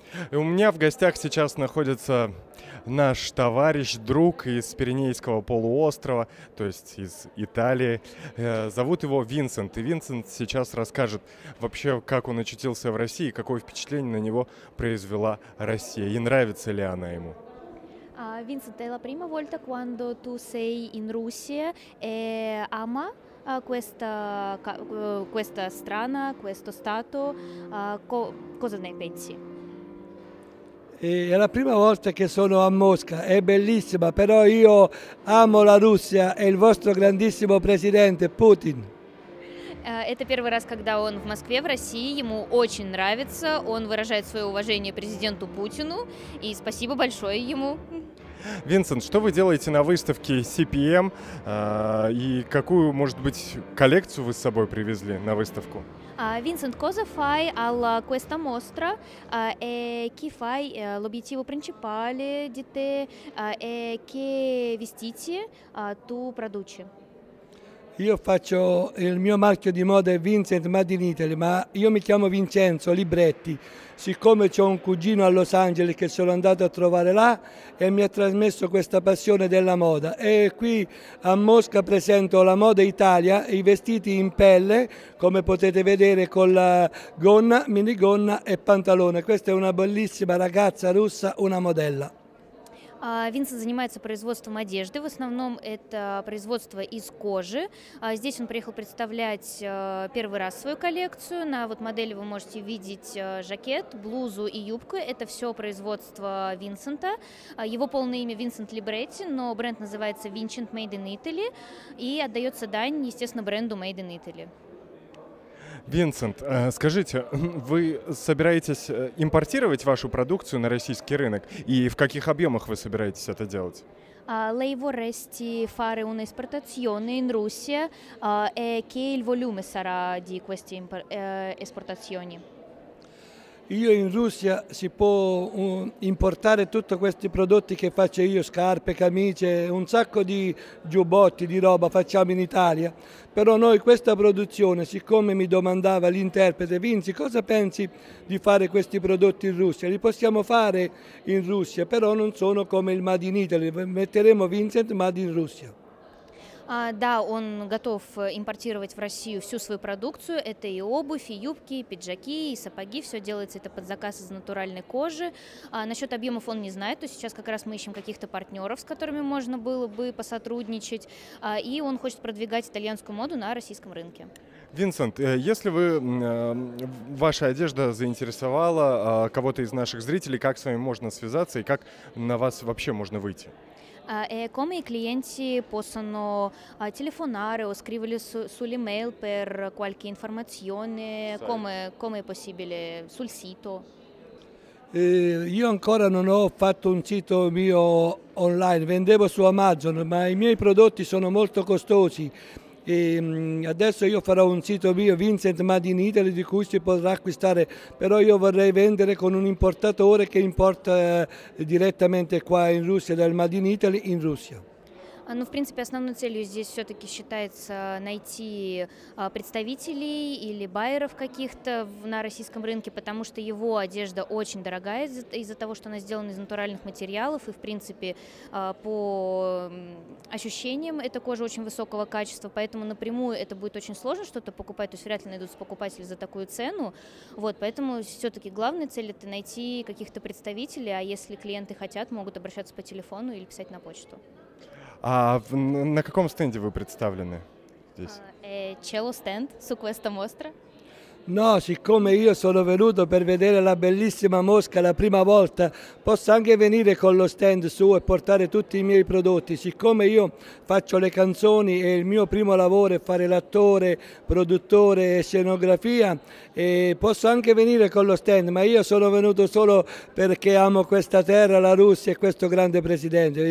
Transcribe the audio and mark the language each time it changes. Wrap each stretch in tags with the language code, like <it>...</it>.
<ru>И у меня в гостях сейчас находится наш товарищ, друг из Пиренейского полуострова, то есть из Италии. Зовут его Винсент. И Винсент сейчас расскажет вообще, как он очутился в России, какое впечатление на него произвела Россия и нравится ли она ему.</ru> <it>Винсент, è la prima volta quando tu sei in Russia e ama questa strana, questo stato, cosa ne pensi? È la prima volta che sono a Mosca, è bellissima, però io amo la Russia e il vostro grandissimo presidente Putin.</it> <ru>Это первый раз, когда он в Москве, в России. Ему очень нравится. Он выражает свое уважение президенту Путину. И спасибо большое ему. Винсент, что вы делаете на выставке CPM? И какую, может быть, коллекцию вы с собой привезли на выставку?</ru> <it>Винсент, cosa fai alla questa mostra? E chi fai l'obiettivo principale di te? E che vestiti tu produci? Io faccio il mio marchio di moda è Vincent Made in Italy, ma io mi chiamo Vincenzo Libretti, siccome c'ho un cugino a Los Angeles che sono andato a trovare là e mi ha trasmesso questa passione della moda. E qui a Mosca presento la moda Italia, i vestiti in pelle, come potete vedere con la gonna, minigonna e pantalone. Questa è una bellissima ragazza russa, una modella.</it> <ru>Винсент занимается производством одежды, в основном это производство из кожи. Здесь он приехал представлять первый раз свою коллекцию. На вот модели вы можете видеть жакет, блузу и юбку. Это все производство Винсента. Его полное имя Винсент Либретти, но бренд называется Vincent Made in Italy и отдается дань, естественно, бренду Made in Italy. Винсент, скажите, вы собираетесь импортировать вашу продукцию на российский рынок? И в каких объемах вы собираетесь это делать?</ru> <it>Lei vorresti fare un'esportazione in Russia? E che il volume sarà di queste esportazioni? Io in Russia si può importare tutti questi prodotti che faccio io, scarpe, camicie, un sacco di giubbotti, di roba facciamo in Italia. Però noi questa produzione, siccome mi domandava l'interprete, Vinci, cosa pensi di fare questi prodotti in Russia? Li possiamo fare in Russia, però non sono come il Made in Italy, metteremo Vincent Made in Russia.</it> <ru>Да, он готов импортировать в Россию всю свою продукцию. Это и обувь, и юбки, и пиджаки, и сапоги. Все делается это под заказ из натуральной кожи. Насчет объемов он не знает. То есть сейчас как раз мы ищем каких-то партнеров, с которыми можно было бы посотрудничать. И он хочет продвигать итальянскую моду на российском рынке. Винсент, если вы ваша одежда заинтересовала кого-то из наших зрителей, как с вами можно связаться и как на вас вообще можно выйти?</ru> <it>Come i clienti possono telefonare o scrivere sull'email per qualche informazione? Come è possibile sul sito? Io ancora non ho fatto un sito mio online, vendevo su Amazon, ma i miei prodotti sono molto costosi. E adesso io farò un sito mio, Vincent Made in Italy, di cui si potrà acquistare, però io vorrei vendere con un importatore che importa direttamente qua in Russia, dal Made in Italy in Russia.</it> <ru>Ну, в принципе, основной целью здесь все-таки считается найти представителей или байеров каких-то на российском рынке, потому что его одежда очень дорогая из-за того, что она сделана из натуральных материалов. И, в принципе, по ощущениям, эта кожа очень высокого качества, поэтому напрямую это будет очень сложно что-то покупать, то есть вряд ли найдутся покупатели за такую цену. Вот, поэтому все-таки главная цель – это найти каких-то представителей, а если клиенты хотят, могут обращаться по телефону или писать на почту. А на каком стенде вы представлены здесь?</ru> <it>Cello stand su questa mostra? No, siccome io sono venuto per vedere la bellissima Mosca la prima volta, posso anche venire con lo stand su e portare tutti i miei prodotti. Siccome io faccio le canzoni e il mio primo lavoro è fare l'attore, produttore e scenografia, posso anche venire con lo stand, ma io sono venuto solo perché amo questa terra, la Russia e questo grande presidente.</it>